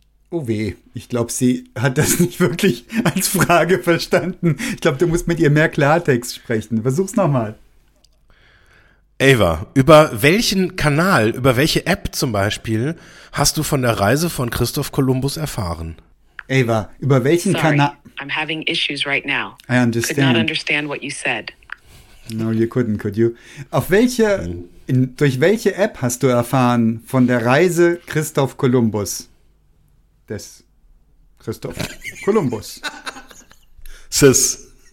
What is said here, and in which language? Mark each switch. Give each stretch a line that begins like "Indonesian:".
German: Oh weh, ich glaube, sie hat das nicht wirklich als Frage verstanden. Ich glaube, du musst mit ihr mehr Klartext sprechen. Versuch's nochmal. Ava, über welchen Kanal, über welche App zum Beispiel, hast du von der Reise von Christoph Kolumbus erfahren? Ava, über welchen Kanal...
English: I'm having issues right now. I understand. Could not understand what you said. No, you couldn't, could you?
German: Durch welche App hast du erfahren von der Reise Christoph Kolumbus? Des Christoph Kolumbus. Sis.